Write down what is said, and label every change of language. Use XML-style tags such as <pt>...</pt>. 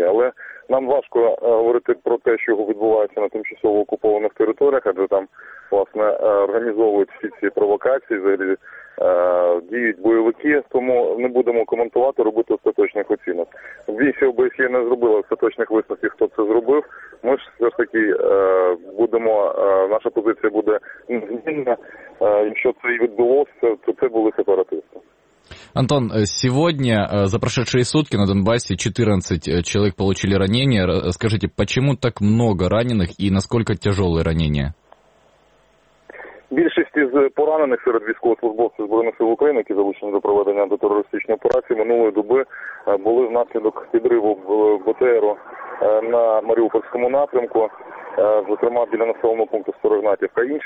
<uk>Але нам важко говорити про те, що відбувається на тимчасово окупованих територіях, адже там, власне, організовують всі ці провокації, взагалі діють бойовики, тому не будемо коментувати, робити остаточних оцінок. Місія ОБСЄ не зробила остаточних висновків, хто це зробив. Ми ж все ж таки будемо, наша позиція буде незмінна. Якщо це і відбулося, то це були сепаратисти.</uk> <ru>Антон, сегодня за прошедшие сутки на Донбассе 14 человек получили ранения. Скажите, почему так много раненых и насколько тяжелые ранения?</ru> <uk>Більшість із поранених серед військовослужбовців Збройних сил України, які залучені до проведення антитерористичної операції минулої доби, були внаслідок підриву БТРу на Маріупольському напрямку, зокрема біля населеного пункту Старогнатівка.</uk>